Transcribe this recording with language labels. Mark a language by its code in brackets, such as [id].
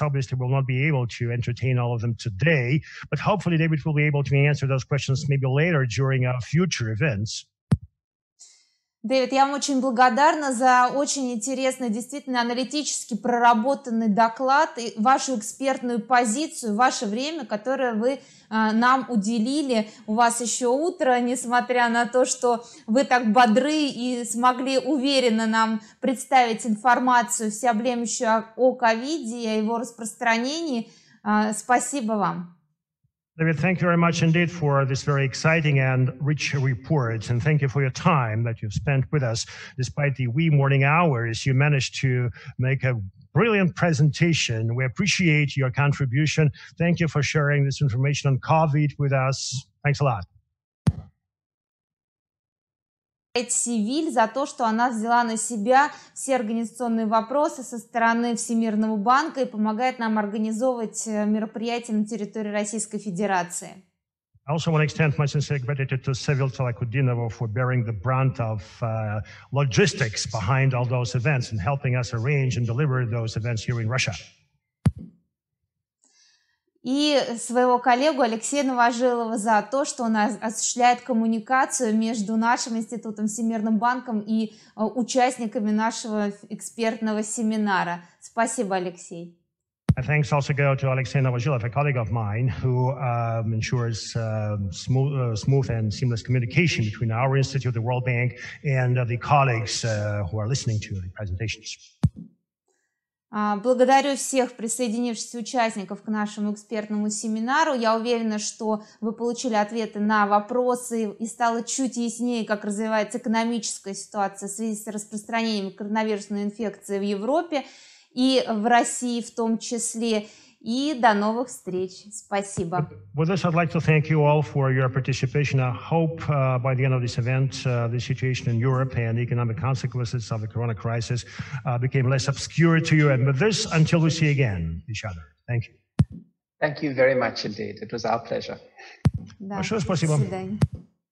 [en] Obviously, we'll not be able to entertain all of them today, but hopefully David will be able to answer those questions maybe later during our future events. [ru] Дэвид, я вам очень благодарна за очень интересный, действительно аналитически проработанный доклад и вашу экспертную позицию, ваше время, которое вы нам уделили. У вас еще утро, несмотря на то, что вы так бодры и смогли уверенно нам представить информацию всеобъемлющую о ковиде и о его распространении. Спасибо вам. [en] David, thank you very much indeed for this very exciting and rich report, and thank you for your time that you've spent with us. Despite the wee morning hours, you managed to make a brilliant presentation. We appreciate your contribution. Thank you for sharing this information on COVID with us. Thanks a lot. [ru] Сивиль за то, что она взяла на себя все организационные вопросы со стороны Всемирного банка и помогает нам организовывать мероприятия на территории Российской Федерации. [en] I also want to extend my sincere gratitude to Sevil Talakudinova for bearing the brunt of logistics behind all those events and helping us arrange and deliver those events here in Russia. [ru] И своего коллегу Алексея Новожилова за то, что он осуществляет коммуникацию между нашим институтом, Всемирным банком и участниками нашего экспертного семинара. Спасибо, Алексей. [en] Thanks also go to Alexey Novozhilov, a colleague of mine, who ensures smooth and seamless communication between our institute, the World Bank, and the colleagues who are listening to the presentations. [ru] Благодарю всех присоединившихся участников к нашему экспертному семинару. Я уверена, что вы получили ответы на вопросы и стало чуть яснее, как развивается экономическая ситуация в связи с распространением коронавирусной инфекции в Европе и в России в том числе. И до новых встреч. Спасибо. [en] With this, I'd like to thank you all for your participation. I hope by the end of this event, the situation in Europe and the economic consequences of the corona crisis became less obscure to you. And with this, until we see again each other. Thank you. Thank you very much indeed. It was our pleasure. [ru] Большое спасибо. До свидания.